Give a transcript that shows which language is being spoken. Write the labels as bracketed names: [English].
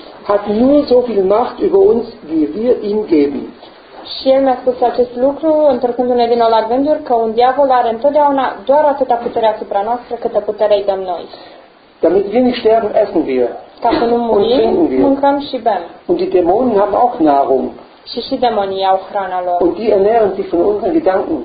[German] hat nur so viel Macht über uns, wie wir ihm geben. [Romanian] Și el mi-a spus acest lucru, întorcându-ne din nou la gânduri, că un diavol are întotdeauna doar atâta putere asupra noastră, câtă putere îi dăm noi. [German] Damit wir nicht sterben, essen wir. [Romanian] Ca să nu murim, mâncăm și bem. [German] Und die Dämonen haben auch Nahrung. [Romanian] Și demonii au hrana lor. [German] Und die ernähren sich von unseren Gedanken.